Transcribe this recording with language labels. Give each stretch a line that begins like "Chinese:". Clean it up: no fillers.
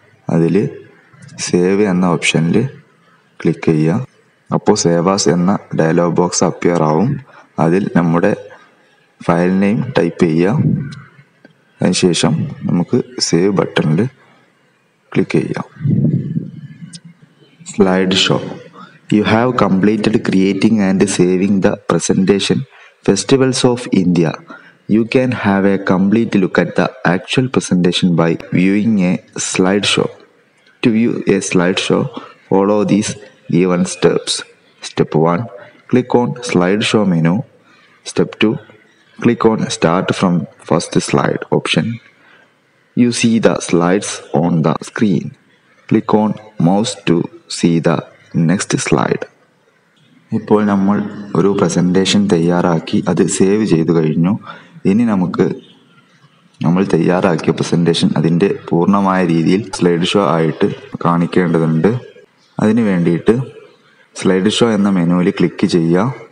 Malayalam: അതിൽ സേവ് എന്ന ഓപ്ഷനിൽ ക്ലിക്ക് ചെയ്യുക. അപ്പോൾ സേവ് ആസ് എന്ന ഡയലോഗ് ബോക്സ് അപ്പിയർ ആവും. അതിൽ നമ്മുടെ ഫയൽ നെയിം ടൈപ്പ് ചെയ്യുക. അതിന് ശേഷം നമുക്ക് സേവ് ബട്ടണിൽ ക്ലിക്ക് ചെയ്യാം.
English: Slide show. You have completed creating and saving the presentation Festivals of India. You can have a complete look at the actual presentation by viewing a slideshow. To view a slideshow, follow these given steps. Step 1, click on slideshow menu. Step 2, click on start from first slide option. You see the slides on the screen. Click on mouse to see the next slide.
Malayalam: ഇപ്പോൾ നമ്മൾ ഒരു presentation തയ്യാറാക്കി അത് save ചെയ്തു കഴിഞ്ഞു. ഇനി നമുക്ക് നമ്മൾ തയ്യാറാക്കിയ പ്രസൻറ്റേഷൻ അതിൻ്റെ പൂർണ്ണമായ രീതിയിൽ സ്ലൈഡ് ഷോ ആയിട്ട് കാണിക്കേണ്ടതുണ്ട്. അതിന് വേണ്ടിയിട്ട് സ്ലൈഡ് ഷോ എന്ന മെനുവിൽ ക്ലിക്ക് ചെയ്യുക.